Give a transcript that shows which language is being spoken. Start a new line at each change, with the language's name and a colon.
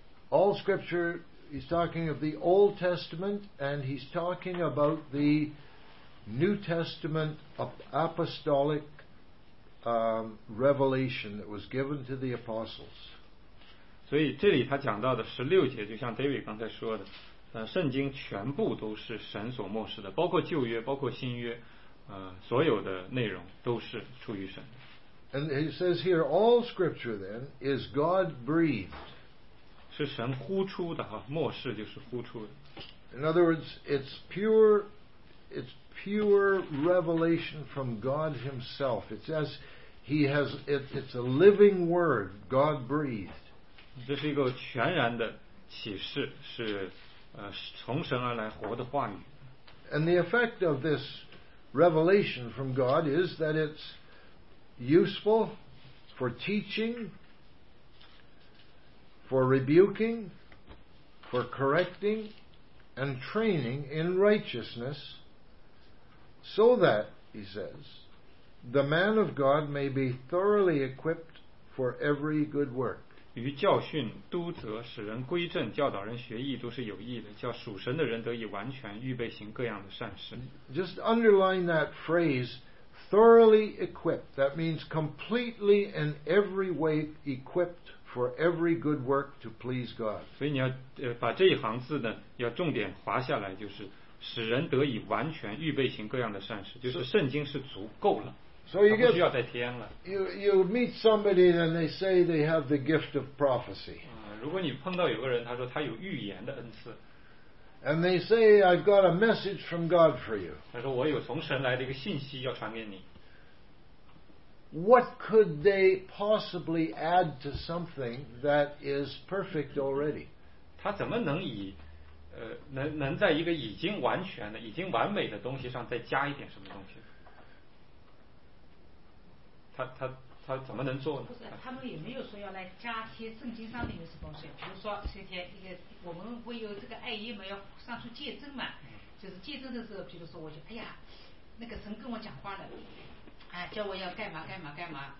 English: All scripture, he's talking of the Old Testament, and he's talking about the New Testament apostolic revelation that was given to the apostles.
Chinese: 所以这里他讲到的十六节，就像 David 刚才说的，圣经全部都是神所默示的，包括旧约，包括新约，所有的内容都是出于神。
English: And he says here, all scripture then is God breathed.
Chinese: 是神呼出的哈，默示就是呼出的。
English: In other words, it's pure revelation from God Himself. It's as He has it. It's a living word, God breathed.
Chinese: 这是一个全然的启示，是从神而来活的话语。
English: And the effect of this revelation from God is that it's useful for teaching, for rebuking, for correcting, and training in righteousness, so that, he says, the man of God may be thoroughly equipped for every good work.
Chinese: 与教训、督责、使人归正、教导人学义都是有益的，叫属神的人得以完全，预备行各样的善事。
English: Just underline that phrase, thoroughly equipped. That means completely in every way equipped for every good work to please God.
Chinese: 所以你要把这一行字呢，要重点划下来，就是使人得以完全，预备行各样的善事，就是圣经是足够了。
English: So you get you meet somebody and they say they have the gift of prophecy.
Chinese: 如果你碰到有个人，他说他有预言的恩赐。
English: And they say I've got a message from God for you.
Chinese: 他说我有从神来的一个信息要传给你。
English: What could they possibly add to something that is perfect already?
Chinese: 他怎么能以能在一个已经完全的、已经完美的东西上再加一点什么东西？他怎么能做呢？不是，他们也没有说要来加些圣经上的一些东西。比如说，今天一个我们不有这个爱意嘛，要上去见证嘛，就是见证的时候，比如说我就哎呀，那个神跟我讲话了，哎，叫我要干嘛干嘛干嘛。